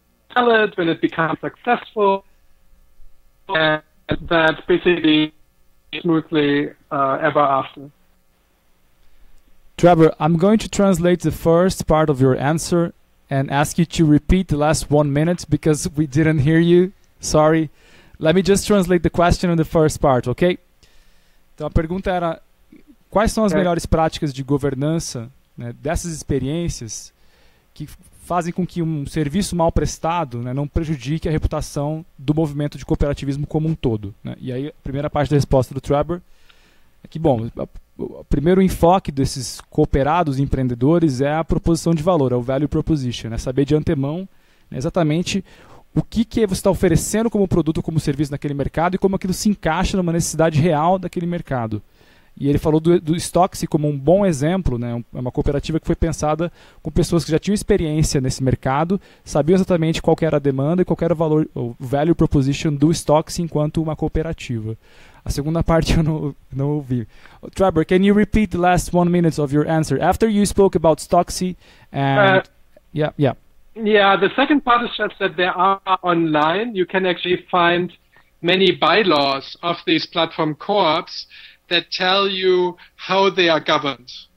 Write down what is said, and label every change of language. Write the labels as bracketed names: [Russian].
[English] tell it when it becomes successful, and that basically smoothly ever after. Trevor, I'm going to translate the first part of your answer and ask you to repeat the last 1 minute because we didn't hear you. Sorry. Let me just translate the question in the first part, ok? [Portuguese] Então, a pergunta era, quais são as melhores práticas de governança, né, dessas experiências que fazem com que um serviço mal prestado, né, não prejudique a reputação do movimento de cooperativismo como um todo? Né? E aí, a primeira parte da resposta do Trevor é que, bom, o primeiro enfoque desses cooperados e empreendedores é a proposição de valor, é o value proposition, né, saber de antemão, né, exatamente o que, que você está oferecendo como produto, como serviço naquele mercado e como aquilo se encaixa numa necessidade real daquele mercado. E ele falou do Stocksy como um bom exemplo, né? É uma cooperativa que foi pensada com pessoas que já tinham experiência nesse mercado, sabiam exatamente qual que era a demanda e qual que era o valor, o value proposition do Stocksy enquanto uma cooperativa. A segunda parte eu não ouvi. [English] Trevor, can you repeat the last 1 minute of your answer? After you spoke about Stocksy and... Yeah, the second part is just that there are online, you can actually find many bylaws of these platform co-ops that tell you how they are governed.